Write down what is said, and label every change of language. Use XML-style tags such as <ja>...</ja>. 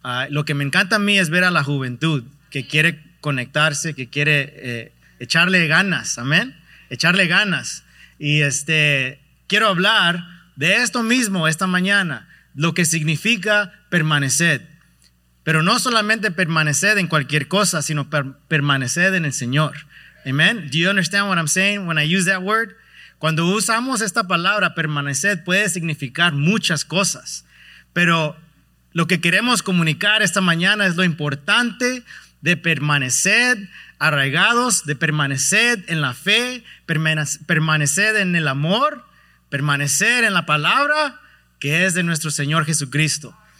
<es>Lo que me encanta a mí es ver a la juventud que quiere conectarse, que quiere echarle ganas, amén, echarle ganas. Y quiero hablar de esto mismo esta mañana, lo que significa permanecer. Pero no solamente permanecer en cualquier cosa, sino permanecer en el Señor. Amen.</es> <en>Do you understand what I'm saying when I use that word?</en> <es>Cuando usamos esta palabra, permanecer, puede significar muchas cosas. Pero lo que queremos comunicar esta mañana es lo importante de permanecer arraigados, de permanecer en la fe, permanecer en el amor, permanecer en la palabra que es de nuestro Señor Jesucristo.</es>